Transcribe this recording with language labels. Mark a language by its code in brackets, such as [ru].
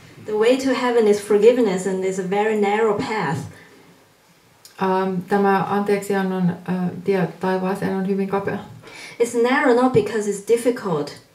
[en] The way to heaven is forgiveness and is a very narrow path. [fi] Tämä anteeksiannon tie taivaaseen on hyvin kapea. [en] It's narrow not because it's difficult.